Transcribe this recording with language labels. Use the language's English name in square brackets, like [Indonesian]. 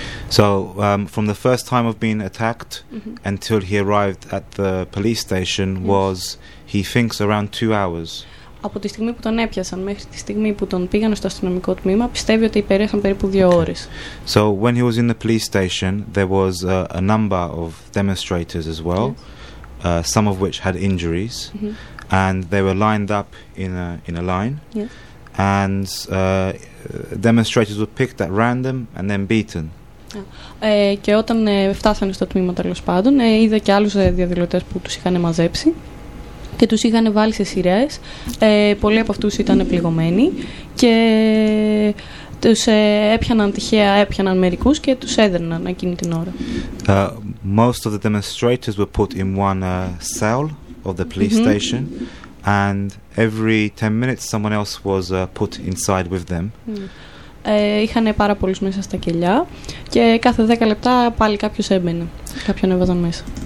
[English] So, from the first time of being attacked until he arrived at the police station was, he thinks, around 2 hours. [Greek] Από τη στιγμή που τον έπιασαν μέχρι τη στιγμή που τον πήγαν στο αστυνομικό τμήμα, πιστεύει ότι υπέρεσαν περίπου 2 ώρες. [English] So when he was in the police station, there was a number of demonstrators as well, some of which had injuries, and they were lined up in a line, and demonstrators were picked at random and then beaten. [Greek] Και όταν φτάσανε στο τμήμα τέλος πάντων, είδα και άλλους διαδηλωτές που τους είχαν μαζέψει. Και τους είχαν βάλει σε σειρές, πολλοί από αυτούς ήταν πληγωμένοι και τους έπιαναν τυχαία, έπιαναν μερικούς και τους έδερναν εκείνη την ώρα. [English] Most of the demonstrators were put in one cell of the police station and every 10 minutes someone else was put inside with them. [Greek] Είχαν πάρα πολλούς μέσα στα κελιά και κάθε 10 λεπτά πάλι κάποιος έμπαινε, κάποιον έβαζαν μέσα.